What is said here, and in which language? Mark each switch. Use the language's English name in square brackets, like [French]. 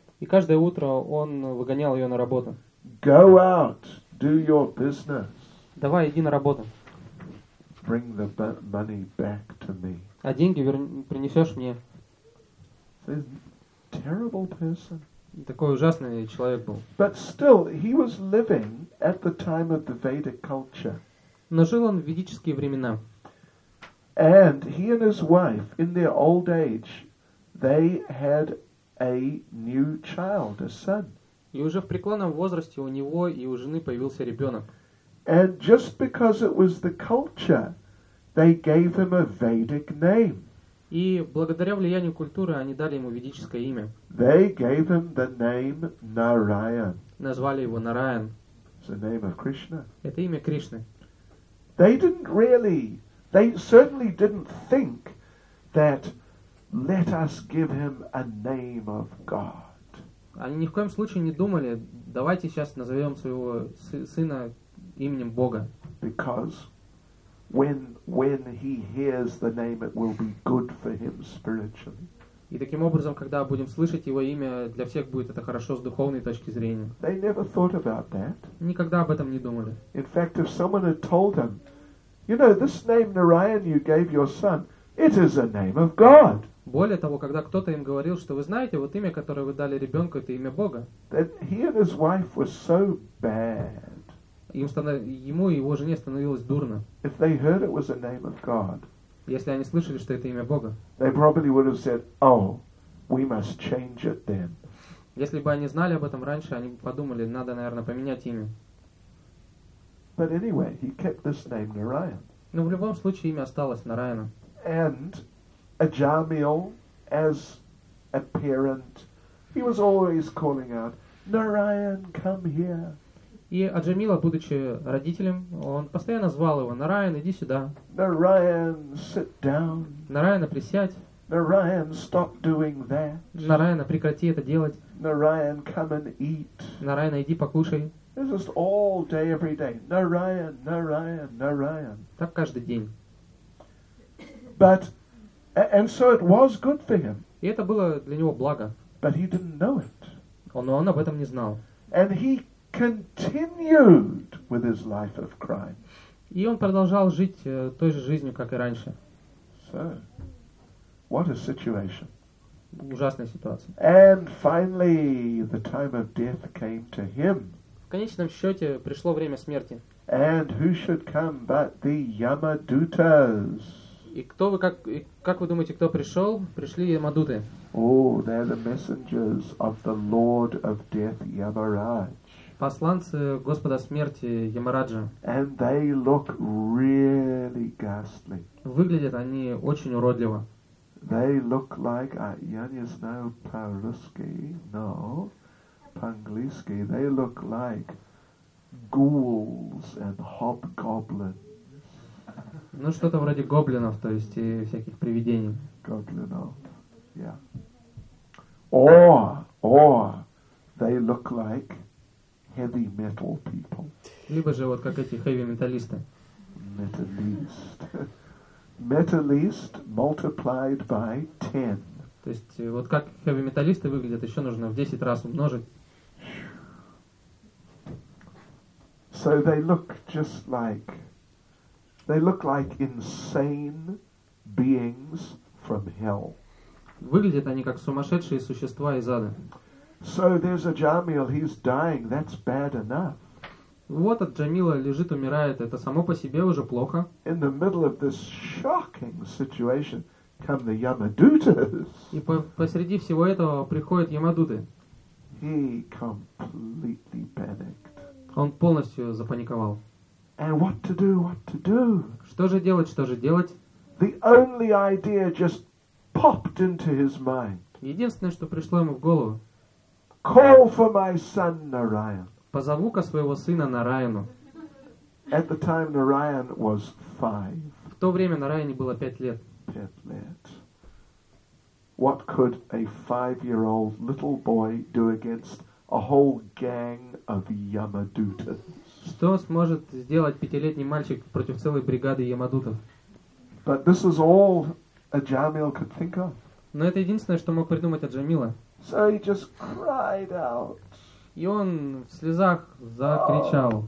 [Russian] И каждое утро он выгонял ее на работу. [English] Go out, do your business. [Russian] Давай, иди на работу. [English] Bring the money back to me. [Russian] А деньги принесешь мне. [English] This terrible person. [Russian] Такой ужасный человек был. [English] But still, he was living at the time of the Vedic culture. [Russian] Но жил он в ведические времена. [English] And he and his wife, in their old age, they had a new child, a son. [Russian] И уже в преклонном возрасте у него и у жены появился ребенок. [English] And just because it was the culture, they gave him a Vedic name. [Russian] И благодаря влиянию культуры они дали ему ведическое имя. [English] They gave him the name Narayan. [Russian] Назвали его Нараян. [English] It's the name of Krishna. [Russian] Это имя Кришны. [English] They certainly didn't think that let us give him a name of God. [Russian] Они ни в коем случае не думали, давайте сейчас назовем своего сына именем Бога. [English] Because when he hears the name, it will be good for him spiritually. [Russian] И таким образом, когда будем слышать его имя, для всех будет это хорошо с духовной точки зрения. [English] They never thought about that. [Russian] Никогда об этом не думали. [English] In fact, if someone had told him, you know, this name Narayan you gave your son, it is a name of God. [Russian] Более того, когда кто-то им говорил, что вы знаете, вот имя, которое вы дали ребенку, это имя Бога. [English] Then he and his wife were so bad. [Russian] Ему и его жене становилось дурно. [English] If they heard it was a name of God. [Russian] Если они слышали, что это имя Бога. [English] They probably would have said, oh, we must change it then. [Russian] Если бы они знали об этом раньше, они бы подумали, надо, наверное, поменять имя. [English] But anyway, he kept this name Narayan. [Russian] Но в любом случае имя осталось Нараяна. [English] And Ajamil, as a parent, he was always calling out, Narayan, come here. [Russian] И Аджамила, будучи родителем, он постоянно звал его: Нараян, иди сюда. [English] Нараян, sit down. [Russian] Нараяна, присядь. [English] Нараян, stop doing that. [Russian] Нараяна, прекрати это делать. [English] Нараян, come and eat. [Russian] Нараяна, иди покушай. [English] It's just all day, every day. Нараян, Нараян, Нараян. [Russian] Так каждый день. [English] But and so it was good for him. [Russian] И это было для него благо. [English] But he didn't know it. [Russian] Но он об этом не знал. [English] And he continued with his life of crime. [Russian] И он продолжал жить той же жизнью, как и раньше. [English] So, what a situation. [Russian] Ужасная ситуация. [English] And finally, the time of death came to him. [Russian] В конечном счете пришло время смерти. [English] And who should come but the Yamadutas? [Russian] И кто вы как вы думаете, кто пришел? Пришли Ямадуты. [English] Oh, they're the messengers of the Lord of Death, Yamaraj. [Russian] посланцы Господа Смерти Ямараджа. [English] And they look really ghastly. [Russian] Выглядят они очень уродливо. [English] They look like, [Russian] я не знаю по-русски, но по-английски, [English] they look like ghouls and hobgoblins. [Russian] Ну, что-то вроде гоблинов, то есть, и всяких привидений. [English] Гоблинов, yeah. Or, they look like heavy metal people. [Russian] Либо же вот как эти хэви-металлисты. [English] Metalist. Metalist multiplied by 10. [Russian] То есть, вот как хэви-металлисты выглядят, еще нужно в 10 раз умножить. [English] So they look just like... They look like insane beings from hell. [Russian] Выглядят они как сумасшедшие существа из ада. [English] So there's a Jamil, he's dying, that's bad enough. [Russian] Вот от Джамила лежит, умирает, это само по себе уже плохо. [English] In the middle of this shocking situation come the Yamadutas. [Russian] И посреди всего этого приходят Ямадуты. [English] He completely panicked. [Russian] Он полностью запаниковал. [English] And what to do, what to do? [Russian] Что же делать, что же делать? [English] The only idea just popped into his mind. [Russian] Единственное, что пришло ему в голову. [English] Call for my son Narayan. [Russian] Позову-ка своего сына Нараяну. [English] At the time Narayan was 5. [Russian] В то время Нараяне было 5 лет. 5 лет. [English] What could a 5-year-old little boy do against a whole gang of Yamadutas? [Russian] Что сможет сделать 5-летний мальчик против целой бригады ямадутов? [English] But this is all Аджамил could think of. [Russian] Но это единственное, что мог придумать Аджамила. [English] So he just cried out. [Russian] И он в слезах закричал.